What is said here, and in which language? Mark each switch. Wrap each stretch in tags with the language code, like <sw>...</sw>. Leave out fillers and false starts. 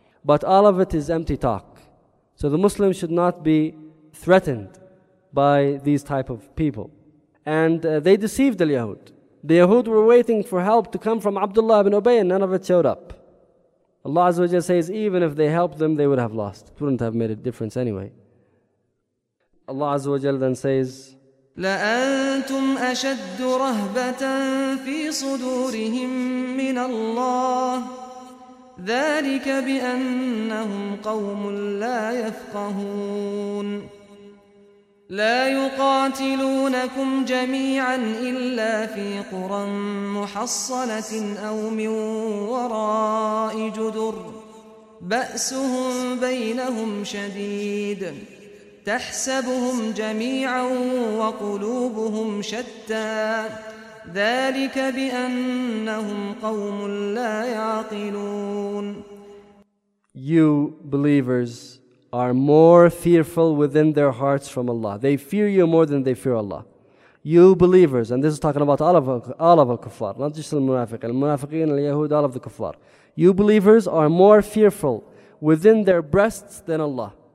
<en>But all of it is empty talk. So the Muslim should not be threatened by these type of people. And they deceived the Yahud. The Yahud were waiting for help to come from Abdullah ibn Ubay and none of it showed up. Allah Azza wa Jalla says, even if they helped them, they would have lost. It wouldn't have made a difference anyway. Allah Azza wa Jalla then says,</en> <ar>لأنتم أشد رهبة في صدورهم من الله ذلك بأنهم قوم لا يفقهون لا يقاتلونكم جميعا إلا في قرى محصنة أو من وراء جدر بأسهم بينهم شديد تحسبهم جميعا وقلوبهم شتى ذلك بأنهم قوم لا يعقلون</ar> <en>You believers are more fearful within their hearts from Allah. They fear you more than they fear Allah. You believers, and this is talking about all of al-kuffar, not just al-munafiq, al-munafiqin, al-yahud, all of the kuffar. You believers are more fearful within their breasts than Allah.</en>